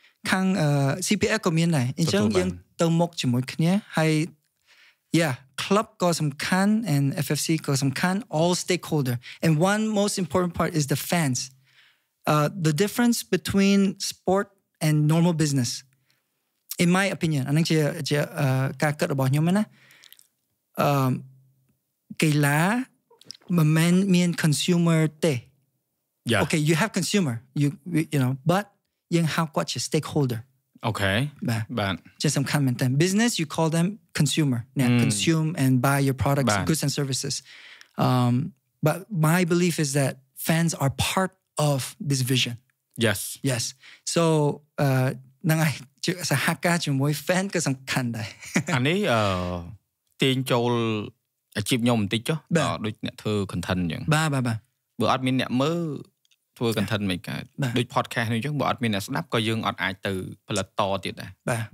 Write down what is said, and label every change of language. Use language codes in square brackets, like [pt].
[km] ខាង CPL ក៏មានដែរអញ្ចឹងយើងទៅមុខជាមួយគ្នាហើយ [en] yeah club [km] ក៏សំខាន់ [en] and FFC ក៏សំខាន់ all stakeholder and one most important part is the fans the difference between sport and normal business in my opinion [km] អានឹងជាការគិតរបស់ខ្ញុំណាកីឡាមិនមែនមាន consumer ទេ [en] yeah okay you have consumer you know but [km] យើងហៅគាត់ជា stakeholder [en] okay [km] បាទជាសំខាន់មែនតើ [en] business you call them consumer now consume and buy your products bad. Goods and services but my belief is that fans are part of this vision yes [km] so នឹងសហការជាមួយ fan ក៏សំខាន់ដែរ អានេះទាញចូលអាជីពខ្ញុំបន្តិចចុះដូចអ្នកធ្វើ content អញ្ចឹង បាទ បើអត់មានអ្នកមើលធ្វើ content មិនកើតដូច podcast នេះអញ្ចឹងបើអត់មានអ្នកស្ដាប់ក៏យើងអត់អាចទៅផលិតតទៀតដែរ